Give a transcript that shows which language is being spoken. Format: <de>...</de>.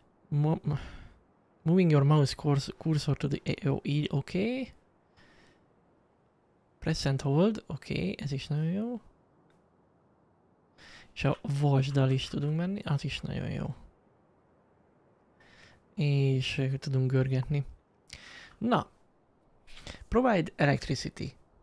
<en>Moving your mouse cursor to the AOE, okay. Press and hold, okay,</en> <hu>ez is nagyon jó. És a vasdal is tudunk menni, az is nagyon jó. És tudunk görgetni.</hu> <en>Na, provide electricity.</en>